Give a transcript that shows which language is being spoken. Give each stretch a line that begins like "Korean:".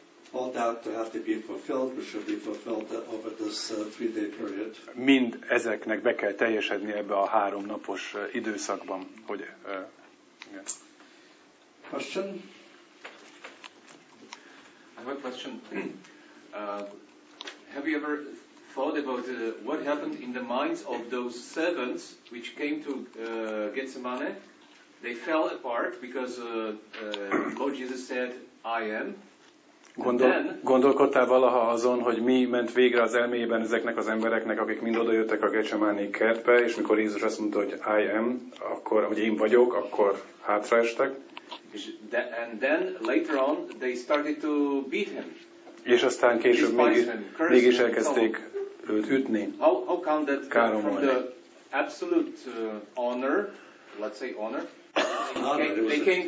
English: All that to have to be fulfilled, which should be fulfilled over this three-day period.
Hungarian: Mind ezeknek be kell teljesedni ebbe a háromnapos időszakban, hogy.
English: Yeah. Question. I have a question. Have you ever thought about what happened in the minds of those servants which came to Gethsemane? They fell apart because Lord Jesus said, "I am."
Hungarian: Gondolkodtál valaha azon, hogy mi ment végre az elméjében ezeknek az embereknek, akik mind oda jöttek a Getsemáné kertbe, és mikor Jézus azt mondta, hogy
English: I am,
Hungarian: akkor, hogy én vagyok, akkor hátraestek.
English: And then later on they started to beat him.
Hungarian: És aztán később mégis elkezdték őt ütni.
English: How come that from the absolute honor, let's say honor, they came